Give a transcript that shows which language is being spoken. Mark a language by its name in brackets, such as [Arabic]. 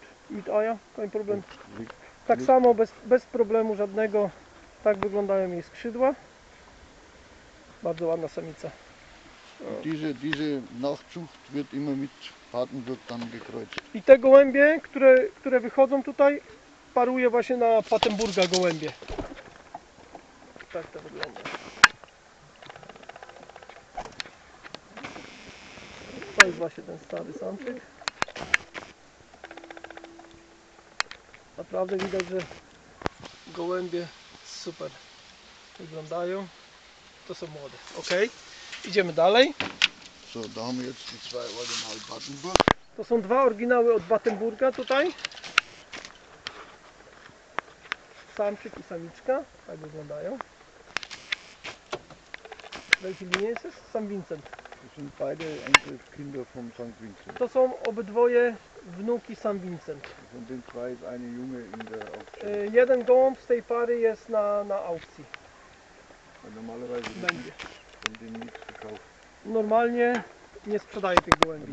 [German] Mit Eier, kein Problem. [Polish] Tak samo, bez problemu żadnego. Tak wyglądają jej skrzydła. Bardzo ładna samica. [German] Diese Nachzucht wird immer mit Patenburg dann gekreuzt. [Polish] I te gołębie, które wychodzą tutaj, paruje właśnie na Patenburga gołębie. Tak to wygląda. To jest właśnie ten stary samczyk. Naprawdę widać, że gołębie super wyglądają. To są młode. Ok, idziemy dalej. [German] So, da haben jetzt die zwei Original Battenburg. [Polish] To są dwa oryginały od Battenburga tutaj. samczyk i samiczka, tak wyglądają. [German] Welche Linie ist es? St. Vincent. Das sind beide Enkelkinder von St. Vincent. [Polish] To są obydwoje wnuki St. Vincent. [German] Von den zwei ist eine Junge in der Aufzucht. [Polish] Jeden gołąb z tej pary jest na aukcji. [German] A normalerweise [Polish] będzie. Będzie [German] nichts gekauft. [Polish] Normalnie nie sprzedaje tych gołębi.